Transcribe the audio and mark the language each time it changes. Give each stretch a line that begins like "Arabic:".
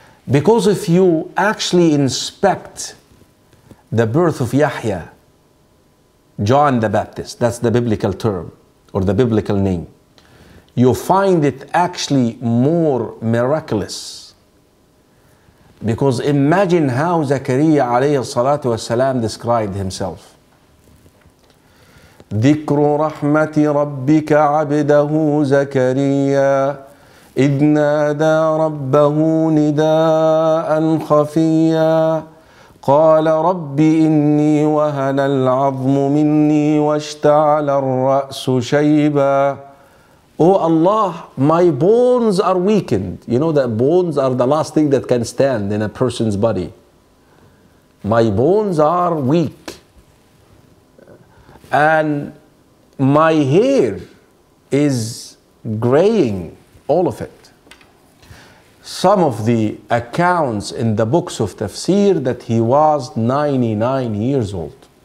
English: Because if you actually inspect the birth of Yahya, John the Baptist, that's the biblical term or the biblical name, you find it actually more miraculous. Because imagine how Zakaria alayhi salatu wasalam described himself.
Arabic: ذكر رحمة ربك عبده زكريا إذ نادى ربه نداء خفيا قال رب إني وهن العظم مني واشتعل الرأس شيبا.
English: Oh Allah, my bones are weakened. You know that bones are the last thing that can stand in a person's body. My bones are weak. And my hair is graying, all of it. Some of the accounts in the books of tafsir that he was 99 years old.